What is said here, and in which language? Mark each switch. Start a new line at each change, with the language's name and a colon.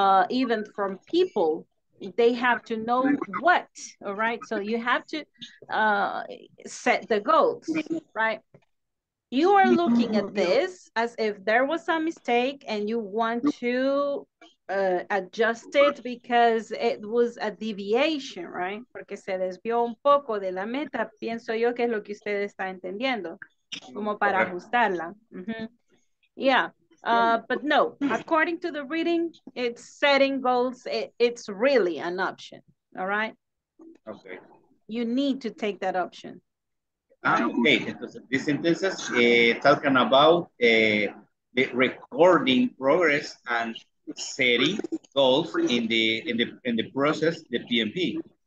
English: Even from people, they have to know what, all right? So you have to set the goals, right? You are looking at this as if there was a mistake and you want to adjust it because it was a deviation, right?
Spanish: Porque se desvió un poco de la meta, pienso yo que es lo que usted está entendiendo. Como para ajustarla. Mm-hmm.
English: Yeah, but no, according to the reading, it's setting goals, it's really an option, all right? Okay. You need to take that option. Okay, entonces, this sentence is talking about the recording progress and setting goals in the process, the PMP.